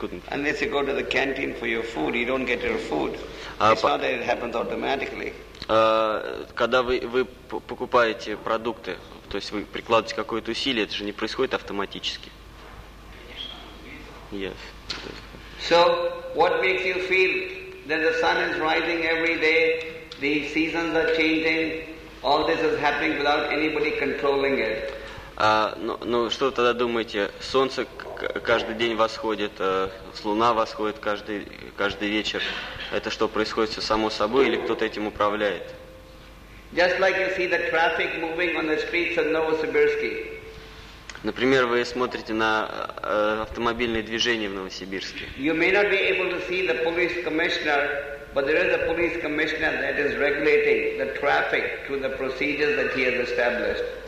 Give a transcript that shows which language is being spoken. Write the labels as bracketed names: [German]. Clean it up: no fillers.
[English] Unless you go to the canteen for your food, you don't get your food. It's not that it happens automatically. [Russian] Когда вы покупаете продукты, то есть вы прикладываете какое-то усилие, это же не происходит автоматически. [English] Yes. So, what makes you feel that the sun is rising every day, the seasons are changing, all this is happening without anybody controlling it? [Russian] Что вы тогда думаете? Солнце каждый день восходит, луна восходит каждый вечер. Это что, происходит все само собой или кто-то этим управляет? [English] Just like you see the traffic moving on the streets of Novosibirsk. [Russian] Например, вы смотрите на автомобильные движения в Новосибирске. [English] You may not be able to see the police commissioner But there is a police commissioner that is regulating the traffic through the procedures that he has established.